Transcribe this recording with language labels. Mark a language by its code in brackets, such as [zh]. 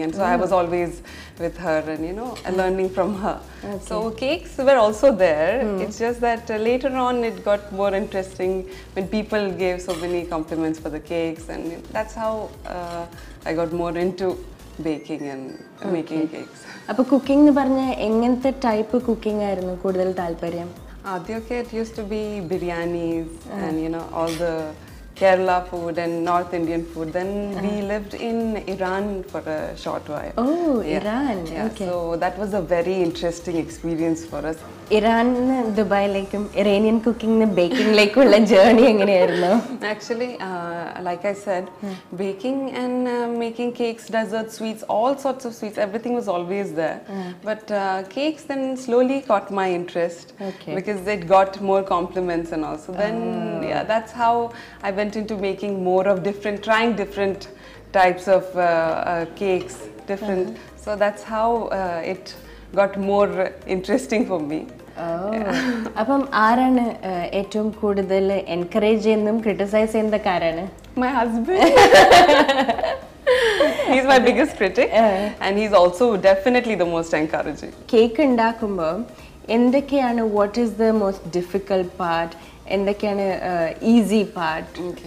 [en] And so mm-hmm. I was always with her and, you know, learning from her. Okay. So cakes were also there. Mm. It's just that later on it got more interesting when people gave so many compliments for the cakes. And that's how I got more into baking and making cakes. [ml] അപ്പൊ cooking എന്ന് പറഞ്ഞാൽ എങ്ങനത്തെ type cooking ആയിരുന്നു കൂടുതൽ താല്പര്യം? [en] ആദ്യമൊക്കെ it used to be biryanis and you know all the Kerala food and north Indian food. Then we lived in Iran for a short while. Oh, Iran. So that was a very interesting experience for us. [ml] Iran ദുബായിലേക്കും Iranian cooking ബേക്കിംഗിലേക്കുള്ള journey എങ്ങനെയായിരുന്നു? [en] Actually like I said baking and making cakes dessert sweets all sorts of sweets everything was always there. But cakes then slowly caught my interest because it got more compliments and also then that's how I went in to making more of different trying different types of cakes different. So that's how it got more interesting for me. [ml] അപ്പം ആരാണ് ഏറ്റവും കൂടുതൽ encourage ചെയ്യുന്നതും criticise ചെയ്യുന്ന കാരാണ്? [en] My husband. He's my biggest critic and he's also definitely the most encouraging. [ml] Cake ഉണ്ടാക്കുമ്പോൾ എന്തൊക്കെയാണ്, [en] what is the most difficult part, [ml] എന്തൊക്കെയാണ് easy part?